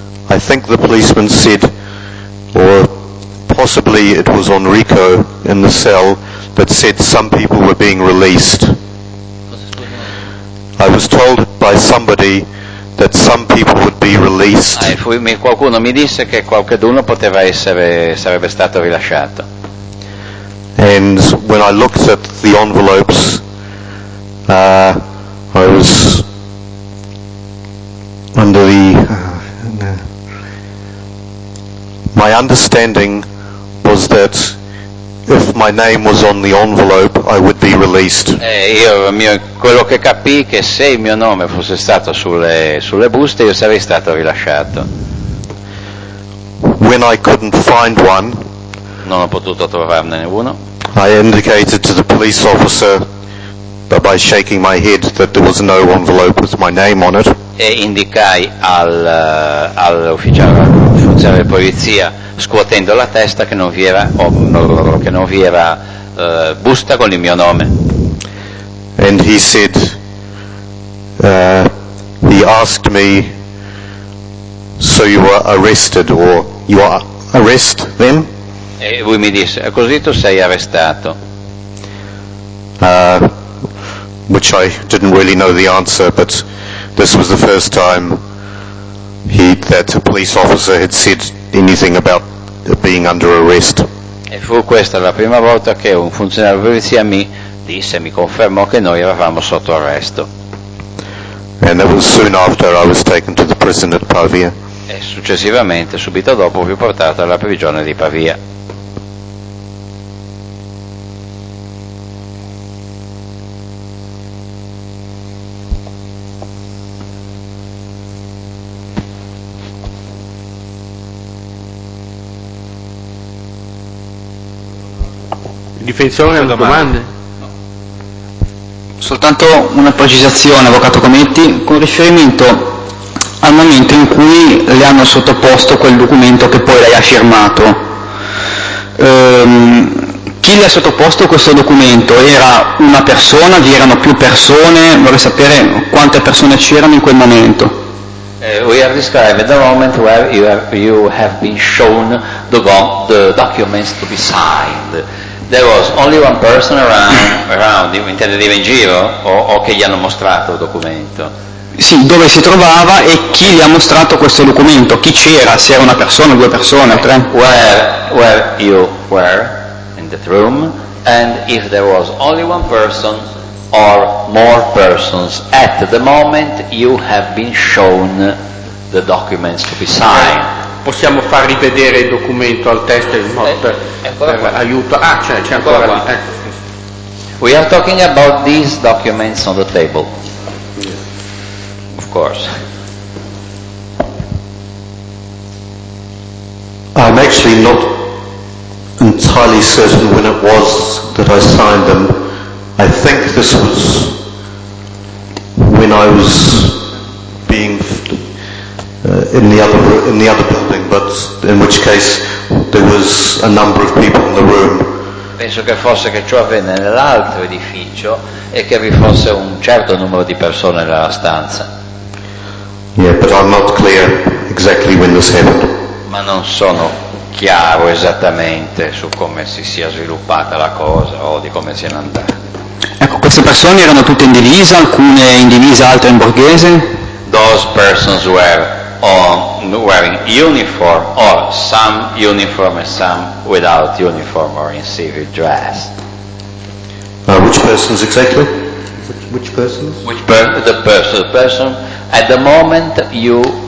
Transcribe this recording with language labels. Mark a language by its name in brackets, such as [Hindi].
[English] I think the policeman said, or possibly it was Enrico in the cell that said some people were being released. I was told by somebody that some people would be released. [Italian] Qualcuno mi disse che qualcuno poteva essere, sarebbe stato rilasciato. [English] And when I looked at the envelopes, I was under the my understanding was that if my name was on the envelope, I would be released. [Italian] Quello che capì che se il mio nome fosse stato sulle buste, io sarei stato rilasciato. [English] When I couldn't find one, [Italian] non ho potuto trovarne uno. [English] I indicated to the police officer by shaking my head that there was no envelope with my name on it. [Italian] E indicai all'ufficiale di polizia, scuotendo la testa, che non vi era busta con il mio nome. [English] And he said, he asked me, so you were arrested, or you are arrest them? [Italian] E lui mi disse, così tu sei arrestato. [English] Which I didn't really know the answer, but this was the first time that a police officer had said anything about being under arrest. [Italian] E fu questa la prima volta che un funzionario di polizia mi disse, mi confermò che noi eravamo sotto arresto. [English] And that was soon after I was taken to the prison at Pavia. [Italian] E successivamente, subito dopo, fui portato alla prigione di Pavia. Difensore, una domanda? No. Soltanto una precisazione, avvocato Cometti, con riferimento al momento in cui le hanno sottoposto quel documento che poi lei ha firmato. Chi le ha sottoposto questo documento? Era una persona? Vi erano più persone? Vorrei sapere quante persone c'erano in quel momento. [English] We are describing the moment where you have been shown the documents to be signed. There was only one person around, [Italian] intende dire in giro, o che gli hanno mostrato il documento? Sì, dove si trovava e chi gli ha mostrato questo documento? Chi c'era? Se era una persona, due persone, tre? Where you were in that room, and if there was only one person or more persons at the moment you have been shown the documents to be signed. Possiamo far rivedere il documento al test per aiuto. Ah, c'è ancora lì. [English] We are talking about these documents on the table. Of course. I'm actually not entirely certain when it was that I signed them. I think this was when I was being in the other building, but in which case there was a number of people in the room. [Italian] Penso che fosse che ciò avvenne nell'altro edificio e che vi fosse un certo numero di persone nella stanza. [English] Yeah, but I'm not clear exactly when this happened. [Italian] Ma non sono chiaro esattamente su come si sia sviluppata la cosa o di come siano andate. Ecco, queste persone erano tutte in divisa, alcune in divisa, altre in borghese. [English] Those persons were wearing uniform, or some uniform and some without uniform or in civil dress. Which persons exactly? Which persons? The person at the moment you